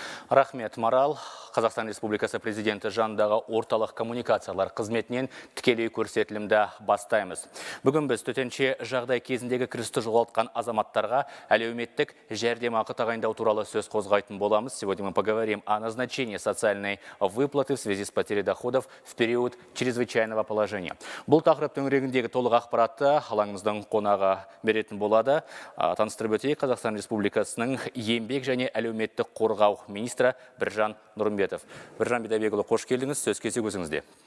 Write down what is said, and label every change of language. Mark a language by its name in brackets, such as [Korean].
[Kazakh] Рахмет, Марал. Қазақстан Республикасы президенті жанындағы орталық коммуникациялар қызметінен тікелей көрсетілімді бастаймыз. Бүгін біз төтенше жағдай кезіндегі кірісті жоғалтқан азаматтарға әлеуметтік жәрдемақы тағайындау туралы сөз қозғайтын боламыз. [Russian] Сегодня мы поговорим о назначении социальной выплаты в связи с потерей доходов в период чрезвычайного положения. [Kazakh] Бұл тақырыптың төңірегіндегі толық ақпаратты алаңымыздың қонағы беретін болады. Таныстырып өтейік, Қазақстан Республикасының еңбек және әлеуметтік қорғау министрі Біржан Нұрымбетов. Біржан Бидайбекұлы, қош келдіңіз, сөз кезегі өзіңізде.